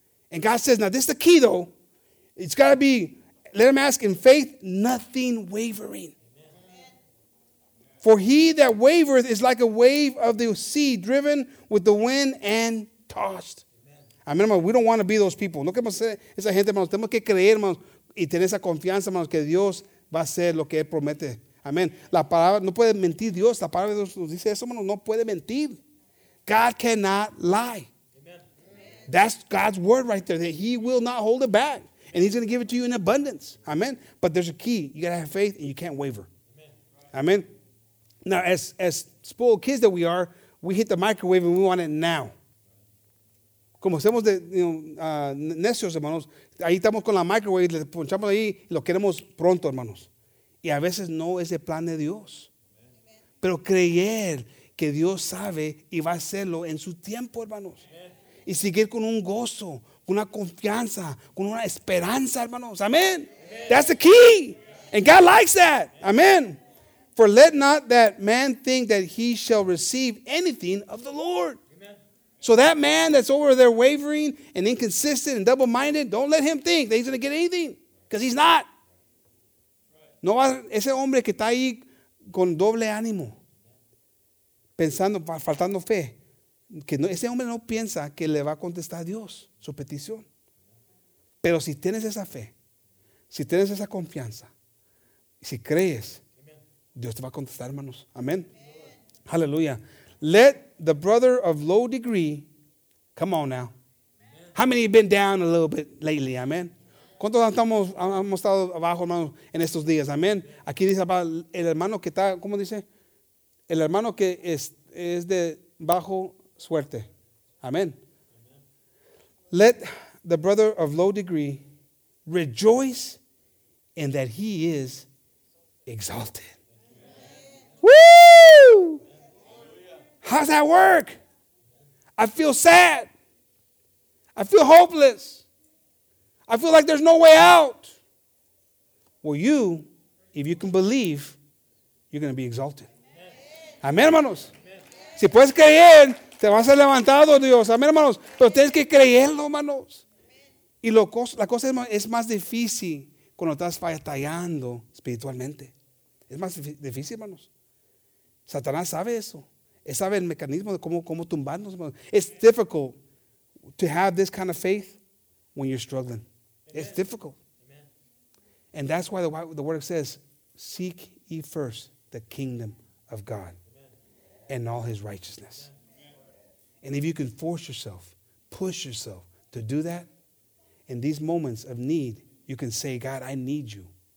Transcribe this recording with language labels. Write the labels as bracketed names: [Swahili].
[English] And God says, now this is the key though. It's got to be, let them ask in faith, nothing wavering. For he that wavereth is like a wave of the sea driven with the wind and tossed. Amen. We don't want to be those people. [Spanish] No queremos ser esa gente, hermanos. Tenemos que creer, hermanos, y tener esa confianza, hermanos, que Dios va a hacer lo que Él promete. Amen. La palabra, no puede mentir Dios. La palabra de Dios nos dice eso, hermanos. No puede mentir. [English] God cannot lie. Amen. That's God's word right there, that he will not hold it back. And he's going to give it to you in abundance. Amen. But there's a key. You got to have faith and you can't waver. Amen. Now, as spoiled kids that we are, we hit the microwave and we want it now. [Spanish] Como somos de necios, hermanos, ahí estamos con la microwave, le ponchamos ahí y lo queremos pronto, hermanos. Y a veces no es el plan de Dios. Pero creer que Dios sabe y va a hacerlo en su tiempo, hermanos. Y seguir con un gozo, con una confianza, con una esperanza, hermanos. [English] Amen. That's the key. And God likes that. Amen. For let not that man think that he shall receive anything of the Lord. Amen. So that man that's over there wavering and inconsistent and double-minded, don't let him think that he's going to get anything, because he's not. [Spanish] No, ese hombre que está ahí con doble ánimo, pensando, faltando fe, que no, ese hombre no piensa que le va a contestar a Dios su petición. Pero si tienes esa fe, si tienes esa confianza, si crees, Dios te va a contestar, hermanos. Amén. Hallelujah. [English] Let the brother of low degree, come on now. How many have been down a little bit lately? Amén. [Spanish] ¿Cuántos estamos, hemos estado abajo, hermanos, en estos días? Amén. Aquí dice about el hermano que está, ¿cómo dice? El hermano que es de bajo suerte. Amén. [English] Let the brother of low degree rejoice in that he is exalted. Woo! How's that work? I feel sad. I feel hopeless. I feel like there's no way out. Well, you, if you can believe, you're going to be exalted. [Spanish] Amén, hermanos. Si puedes creer, te vas a ser levantado, Dios. Amén, hermanos. Pero tienes que creerlo, hermanos. Y lo, la cosa es más difícil cuando estás batallando espiritualmente. Es más difícil, hermanos. Satanás sabe eso. Él sabe el mecanismo de cómo tumbarnos, hermanos. [English] It's difficult to have this kind of faith when you're struggling. Amen. It's difficult. Amen. And that's why the word says, seek ye first the kingdom of God. Amen. And all his righteousness. Amen. And if you can force yourself, push yourself to do that, in these moments of need, you can say, God, I need you.